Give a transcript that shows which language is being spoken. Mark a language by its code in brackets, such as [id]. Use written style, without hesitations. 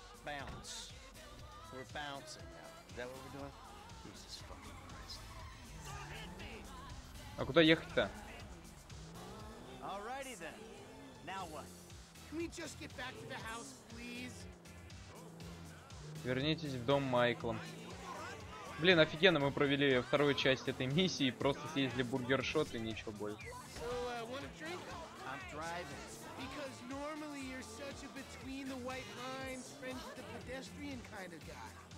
[en] Bounce. We're bouncing now. Is that what we're doing? Jesus fucking Christ. [ru] А куда ехать-то? [en] Alrighty then. Now what? Can we just get back to the house, please? [ru] Вернитесь в дом Майкла. Блин, офигенно, мы провели вторую часть этой миссии, просто съездили бургершот и ничего больше. [en] So, Because normally you're such a between the white lines, friends with the pedestrian kind of guy.